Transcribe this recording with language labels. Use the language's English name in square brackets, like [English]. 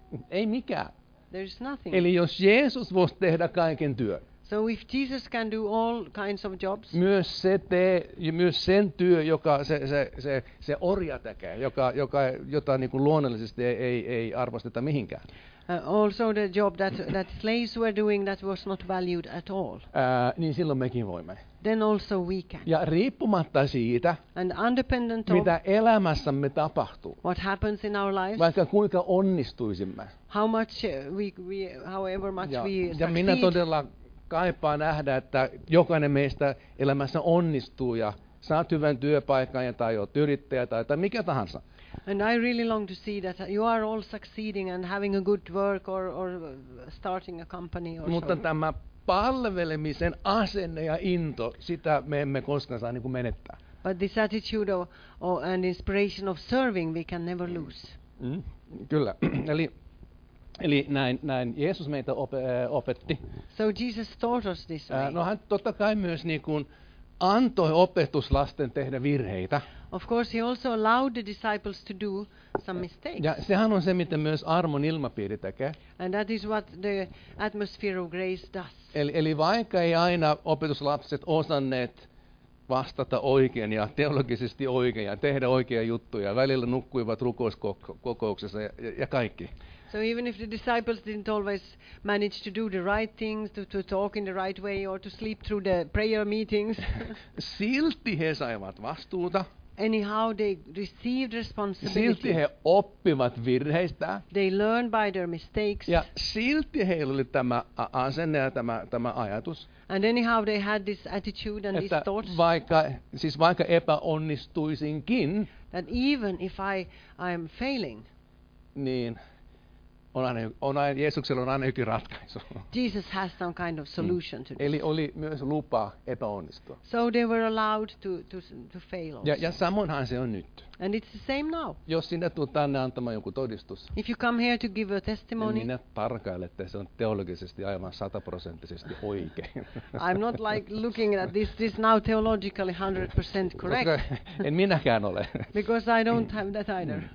[Finnish] Ei mikään. [English] There is nothing. [Finnish] Eli jos Jeesus voisi tehdä kaiken työn. [English] So if Jesus can do all kinds of jobs. [Finnish] Myös sen työ, joka se orja tekee, jota niin kuin luonnollisesti ei arvosteta mihinkään. [English] Also the job that slaves were doing that was not valued at all. [Finnish] Niin silloin mekin voimme. [English] Then also we can. [Finnish] Ja riippumatta siitä, mitä elämässämme tapahtuu. [English] What happens in our lives? [Finnish] Vaikka kuinka onnistuisimme. [English] How much however much we succeed. [Finnish] Ja minä todella kaipaa nähdä, että jokainen meistä elämässä onnistuu ja saat hyvän työpaikan tai oot yrittäjä tai mikä tahansa. [English] And I really long to see that you are all succeeding and having a good work or starting a company or [Finnish] mutta [English] so. [Finnish] Tämä palvelemisen asenne ja into, sitä me emme koskaan saa niin kuin menettää. [English] But this attitude and inspiration of serving we can never lose. [Finnish] Kyllä. Eli näin Jeesus meitä opetti. [English] So Jesus taught us this way. [Finnish] No hän totta kai myös niin kuin antoi opetuslasten tehdä virheitä. [English] Of course he also allowed the disciples to do some mistakes. [Finnish] Ja sehän on se, mitä myös armon ilmapiiri tekee. [English] And that is what the atmosphere of grace does. [Finnish] Eli vaikka ei aina opetuslapset osanneet vastata oikein ja teologisesti oikein ja tehdä oikeita juttuja. Välillä nukkuivat rukouskokouksessa ja kaikki. [English] So even if the disciples didn't always manage to do the right things, to talk in the right way or to sleep through the prayer meetings. [Finnish] Silti he saivat vastuuta. [English] Anyhow, they received responsibility. [Finnish] Silti he oppivat virheistä. [English] They learned by their mistakes. [Finnish] Ja silti heillä oli tämä asenne ja tämä ajatus. [English] And anyhow, they had this attitude and these thoughts. [Finnish] Vaikka epäonnistuisinkin. [English] That even if I am failing. [Finnish] Niin. On aina, Jeesuksella on aina yksi ratkaisu. [English] Jesus has some kind of solution to this. [Finnish] Eli oli myös lupa epäonnistua. [English] So they were allowed to fail also. [Finnish] Ja samoinhan se on nyt. [English] And it's the same now. [Finnish] Jos sinä tulet tänne antamaan joku todistus. [English] If you come here to give a testimony. [Finnish] Niin minä tarkailen, että se on teologisesti aivan 100% oikein. [English] I'm not like looking at this now theologically 100% correct. [Finnish] En minäkään ole. [English] Because I don't have that either.